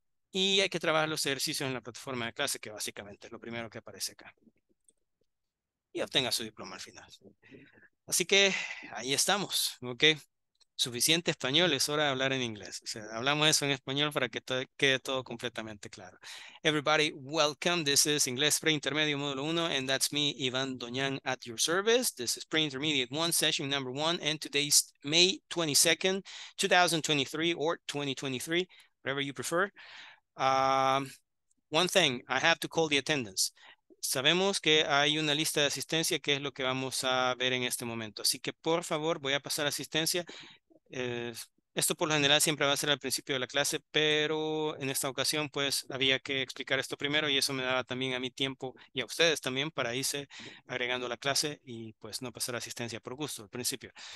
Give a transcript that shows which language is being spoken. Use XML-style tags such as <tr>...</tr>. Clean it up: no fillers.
<es>Y hay que trabajar los ejercicios en la plataforma de clase, que básicamente es lo primero que aparece acá. Y obtenga su diploma al final. Así que ahí estamos, ¿ok? Suficiente español, es hora de hablar en inglés. O sea, hablamos eso en español para que todo quede todo completamente claro.</es> <en>Everybody, welcome. This is English Pre-Intermedio Módulo 1, and that's me, Iván Doñán, at your service. This is Pre-Intermediate 1, session number 1, and today's May 22nd, 2023, or 2023, whatever you prefer. One thing, I have to call the attendance.</en> <es>Sabemos que hay una lista de asistencia, que es lo que vamos a ver en este momento. Así que, por favor, voy a pasar a asistencia. Esto por lo general siempre va a ser al principio de la clase, pero en esta ocasión pues había que explicar esto primero y eso me daba también a mí tiempo y a ustedes también para irse agregando la clase y pues no pasar asistencia por gusto al principio.</es>